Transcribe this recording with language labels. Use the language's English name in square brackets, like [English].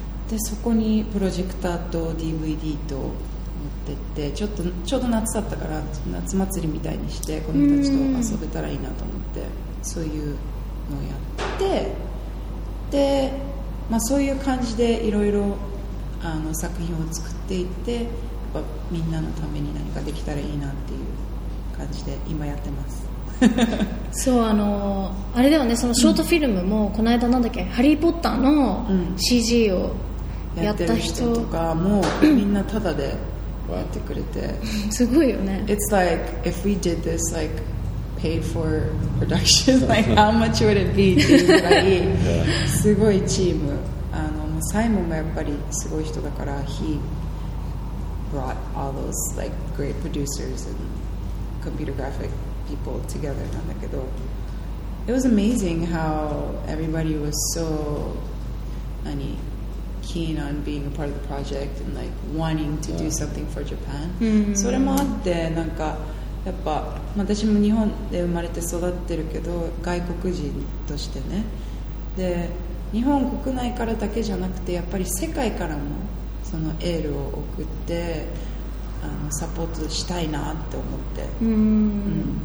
[Japanese] でそこにプロジェクターと DVD と持ってって、ちょうど夏だったから夏祭りみたいにして子供たちと遊べたらいいなと思って、そういうのをやって、で、まあ、そういう感じでいろいろ作品を作っていって、やっぱみんなのために何かできたらいいなっていう感じで今やってます。そう、あのあれだよね、そのショートフィルムもこの間なんだっけ、ハリーポッターの CG をやった人、やってる人とかもみんなタダでやってくれて。すごいよね。 [English] It's like if we did this likePay for production, like how much would it be? [Japanese] すごいチーム。あのサイモンがやっぱりすごい人だから、 [English] he brought all those like great producers and computer graphic people together [Japanese] なんだけど、 [English] it was amazing how everybody was so any keen on being a part of the project and like wanting to do something for Japan. [Japanese] それもあってなんか。やっぱ私も日本で生まれて育ってるけど外国人としてね、で日本国内からだけじゃなくてやっぱり世界からもそのエールを送ってあのサポートしたいなって思って。